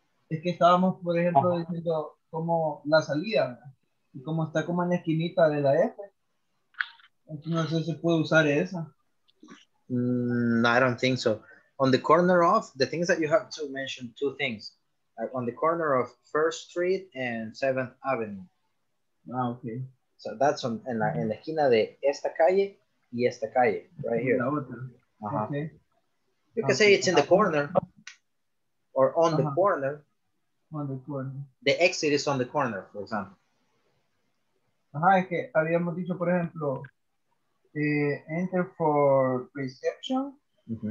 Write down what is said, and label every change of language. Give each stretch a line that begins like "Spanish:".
Spanish: Es que estábamos, por ejemplo, diciendo como la salida. Y como está como en la esquinita de la F, entonces se puede usar esa.
English: I don't think so. On the corner of, the things that you have to mention, two things. Like on the corner of 1st Street and 7th Avenue. Ah, okay. So that's on,
Spanish: en la esquina de esta calle y esta calle,
English: right here. Uh-huh. Okay. You can say it's in the corner or on the corner. On the corner. The exit is on the corner, for example.
Spanish: Ajá, es que habíamos dicho, por ejemplo,
English: enter for reception,
Spanish: mm-hmm.